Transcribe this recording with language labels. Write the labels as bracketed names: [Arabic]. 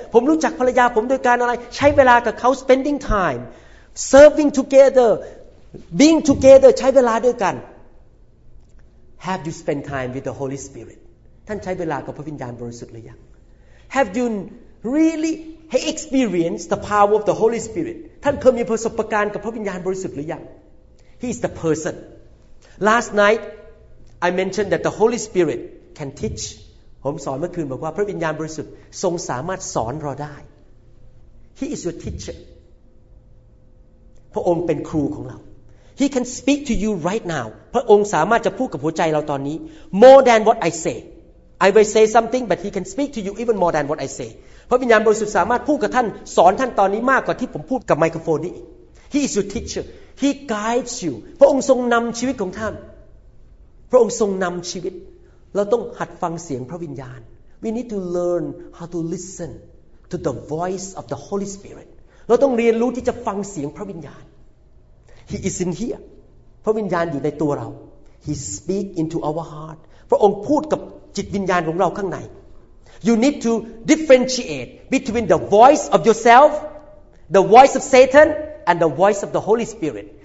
[Thai] ผมรู้จักภรรยาผมโดยการอะไรใช้เวลากับเขา [English] spending time, serving together, being together, [Thai] ใช้เวลาด้วยกัน [English] Have you spent time with the Holy Spirit? [Thai] ท่านใช้เวลากับพระวิญญาณบริสุทธิ์หรือยัง [English] Have you really experienced the power of the Holy Spirit? [Thai] ท่านเคยมีประสบการณ์กับพระวิญญาณบริสุทธิ์หรือยัง [English] He is the person. Last night I mentioned that the Holy Spirit can teach. [Thai] ผมสอนเมื่อคืนบอกว่าพระวิญญาณบริสุทธิ์ทรงสามารถสอนเราได้ [English] He is your teacher. [Thai] พระองค์เป็นครูของเรา [English] He can speak to you right now. [Thai] พระองค์สามารถจะพูดกับหัวใจเราตอนนี้ [English] More than what I say. I will say something, but he can speak to you even more than what I say. [Thai] พระวิญญาณบริสุทธิ์สามารถพูดกับท่านสอนท่านตอนนี้มากกว่าที่ผมพูดกับไมโครโฟนนี้ [English] He is your teacher He guides you [Thai] พระองค์ทรงนำชีวิตของท่าน พระองค์ทรงนำชีวิตเราต้องหัดฟังเสียงพระวิญญาณ [English] We need to learn how to listen to the voice of the Holy Spirit [Thai] เราต้องเรียนรู้ที่จะฟังเสียงพระวิญญาณ [English] He is in here [Thai] พระวิญญาณอยู่ในตัวเรา [English] He speaks into our heart [Thai] พระองค์พูดกับจิตวิญญาณของเราข้างใน [English] You need to differentiate between the voice of yourself, the voice of Satan, and the voice of the Holy Spirit.